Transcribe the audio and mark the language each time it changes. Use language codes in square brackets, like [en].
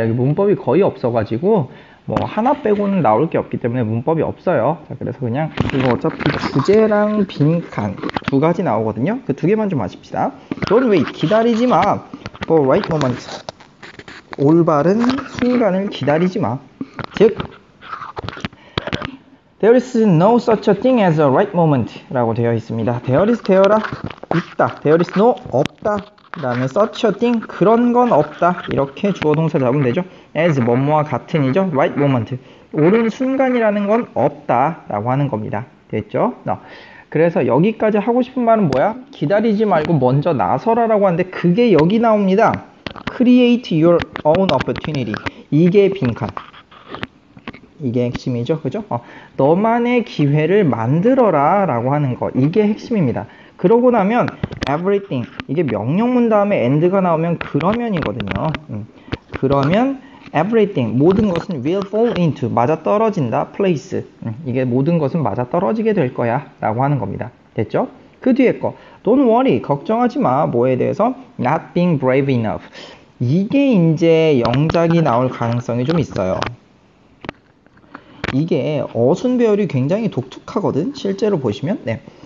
[ko] 여기 문법이 거의 없어가지고 뭐 하나 빼고는 나올 게 없기 때문에 문법이 없어요. 자, 그래서 그냥 이거 어차피 부제랑 빈칸 두 가지 나오거든요. 그두 개만 좀 아십시다. [en] Don't wait, [ko] 기다리지 마. [en] For right moment, [ko] 올바른 순간을 기다리지 마. [en] 즉, There is no such a thing as a right moment [ko] 라고 되어 있습니다. [en] There is [ko] 되어라, 있다. [en] There is no [ko] 없다. 그 다음에 [en] such a thing, [ko] 그런 건 없다. 이렇게 주어 동사 잡으면 되죠. as, 뭐뭐와 같은이죠. [en] right moment, [ko] 옳은 순간이라는 건 없다 라고 하는 겁니다. 됐죠? [en] No. [ko] 그래서 여기까지 하고 싶은 말은 뭐야? 기다리지 말고 먼저 나서라라고 하는데 그게 여기 나옵니다. [en] create your own opportunity. [ko] 이게 빈칸. 이게 핵심이죠. 그죠? 너만의 기회를 만들어라 라고 하는 거. 이게 핵심입니다. 그러고 나면 everything, 이게 명령문 다음에 end가 나오면 그러면이거든요. [en] 그러면 everything, [ko] 모든 것은 [en] will fall into, [ko] 맞아떨어진다, [en] place. [ko] 이게 모든 것은 맞아떨어지게 될 거야 라고 하는 겁니다. 됐죠? 그 뒤에 거, [en] don't worry, [ko] 걱정하지 마. 뭐에 대해서? [en] not being brave enough. [ko] 이게 이제 영작이 나올 가능성이 좀 있어요. 이게 어순배열이 굉장히 독특하거든, 실제로 보시면. 네.